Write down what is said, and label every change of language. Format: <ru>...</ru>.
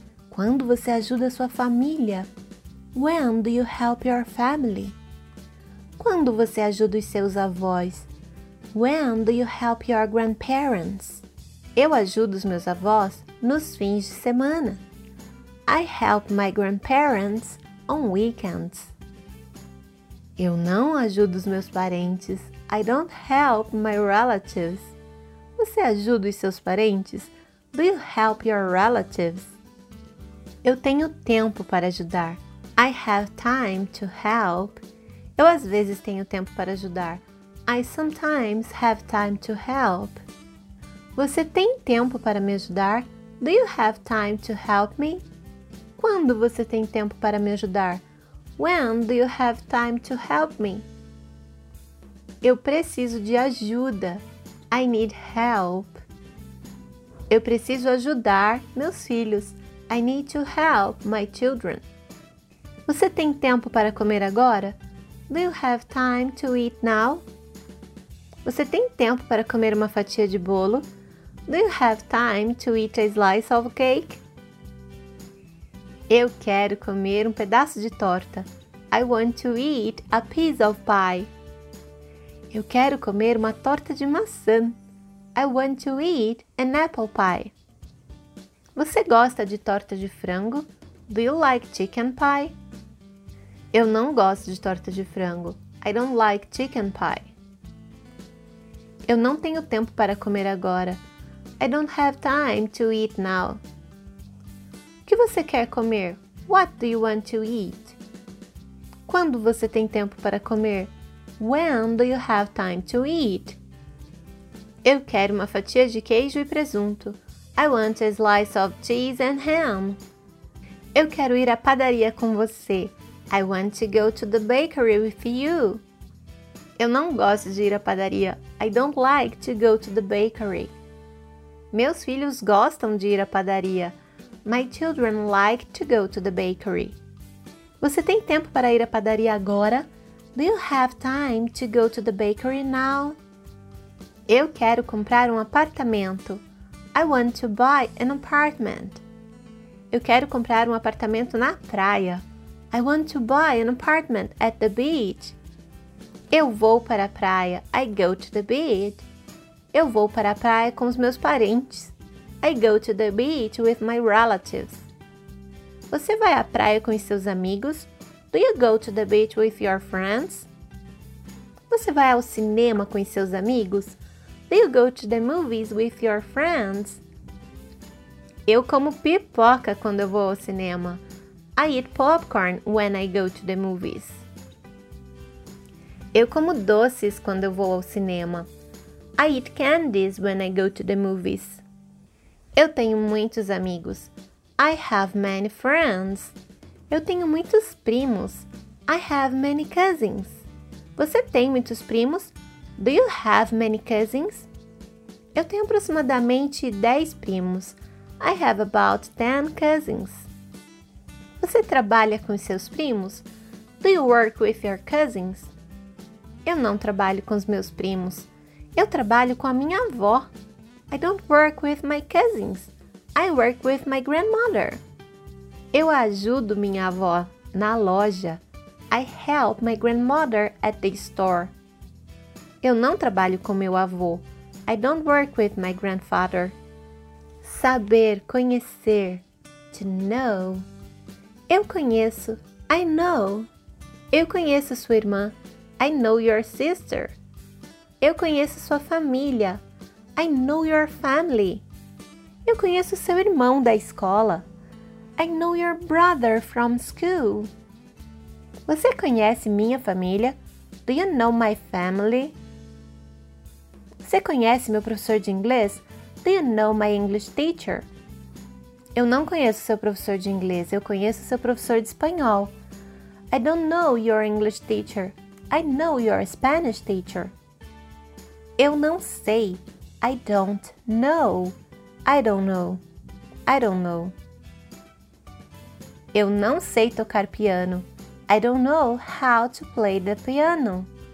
<pt>Quando você ajuda sua família?</pt> <en>When do you help your family?</en> <pt>Quando você ajuda os seus avós?</pt> <en>When do you help your grandparents?</en> <pt>Eu ajudo os meus avós nos fins de semana.</pt> <en>I help my grandparents on weekends.</en> <pt>Eu não ajudo os meus parentes.</pt> <en>I don't help my relatives.</en> <pt>Você ajuda os seus parentes?</pt> <en>Do you help your relatives?</en> <pt>Eu tenho tempo para ajudar.</pt> <en>I have time to help.</en> <pt>Eu às vezes tenho tempo para ajudar.</pt> <en>I sometimes have time to help.</en> <pt>Você tem tempo para me ajudar?</pt> <en>Do you have time to help me?</en> <pt>Quando você tem tempo para me ajudar?</pt> <en>When do you have time to help me?</en> <pt>Eu preciso de ajuda.</pt> <en>I need help.</en> <pt>Eu preciso ajudar meus filhos.</pt> <en>I need to help my children.</en> <pt>Você tem tempo para comer agora?</pt> <en>Do you have time to eat now?</en> <pt>Você tem tempo para comer uma fatia de bolo?</pt> <en>Do you have time to eat a slice of cake?</en> <pt>Eu quero comer um pedaço de torta.</pt> <en>I want to eat a piece of pie.</en> <pt>Eu quero comer uma torta de maçã.</pt> <en>I want to eat an apple pie.</en> <pt>Você gosta de torta de frango?</pt> <en>Do you like chicken pie?</en> <pt>Eu não gosto de torta de frango.</pt> <en>I don't like chicken pie.</en> <pt>Eu não tenho tempo para comer agora.</pt> <en>I don't have time to eat now.</en> <pt>O que você quer comer?</pt> <en>What do you want to eat?</en> <pt>Quando você tem tempo para comer?</pt> <en>When do you have time to eat?</en> <pt>Eu quero uma fatia de queijo e presunto.</pt> <en>I want a slice of cheese and ham.</en> <pt>Eu quero ir à padaria com você.</pt> <en>I want to go to the bakery with you.</en> <pt>Eu não gosto de ir à padaria.</pt> <en>I don't like to go to the bakery.</en> <pt>Meus filhos gostam de ir à padaria.</pt> <en>My children like to go to the bakery.</en> <pt>Você tem tempo para ir à padaria agora?</pt> <en>Do you have time to go to the bakery now?</en> <pt>Eu quero comprar um apartamento.</pt> <en>I want to buy an apartment.</en> <pt>Eu quero comprar um apartamento na praia.</pt> <en>I want to buy an apartment at the beach.</en> <pt>Eu vou para a praia.</pt> <en>I go to the beach.</en> <pt>Eu vou para a praia com os meus parentes.</pt> <en>I go to the beach with my relatives.</en> <pt>Você vai à praia com os seus amigos?</pt> <en>Do you go to the beach with your friends?</en> <pt>Você vai ao cinema com os seus amigos?</pt> <en>Do you go to the movies with your friends?</en> <pt>Eu como pipoca quando eu vou ao cinema.</pt> <en>I eat popcorn when I go to the movies.</en> <pt>Eu como doces quando eu vou ao cinema.</pt> <en>I eat candies when I go to the movies.</en> <pt>Eu tenho muitos amigos.</pt> <en>I have many friends.</en> <pt>Eu tenho muitos primos.</pt> <en>I have many cousins.</en> <pt>Você tem muitos primos?</pt> <en>Do you have many cousins?</en> <pt>Eu tenho aproximadamente 10 primos.</pt> <en>I have about 10 cousins.</en> <pt>Você trabalha com seus primos?</pt> <en>Do you work with your cousins?</en> <pt>Eu não trabalho com os meus primos. Eu trabalho com a minha avó.</pt> <en>I don't work with my cousins. I work with my grandmother.</en> <pt>Eu ajudo minha avó na loja.</pt> <en>I help my grandmother at the store.</en> <pt>Eu não trabalho com meu avô.</pt> <en>I don't work with my grandfather.</en> <pt>Saber, conhecer.</pt> <en>To know.</en> <pt>Eu conheço.</pt> <en>I know.</en> <pt>Eu conheço sua irmã.</pt> <en>I know your sister.</en> <pt>Eu conheço sua família.</pt> <en>I know your family.</en> <pt>Eu conheço seu irmão da escola.</pt> <en>I know your brother from school.</en> <pt>Você conhece minha família?</pt> <en>Do you know my family?</en> <pt>Você conhece meu professor de inglês?</pt> <en>Do you know my English teacher?</en> <pt>Eu não conheço seu professor de inglês. Eu conheço seu professor de espanhol.</pt> <en>I don't know your English teacher. I know your Spanish teacher.</en> <pt>Eu não sei.</pt> <en>I don't know. I don't know. I don't know.</en> <pt>Eu não sei tocar piano.</pt> <en>I don't know how to play the piano.</en>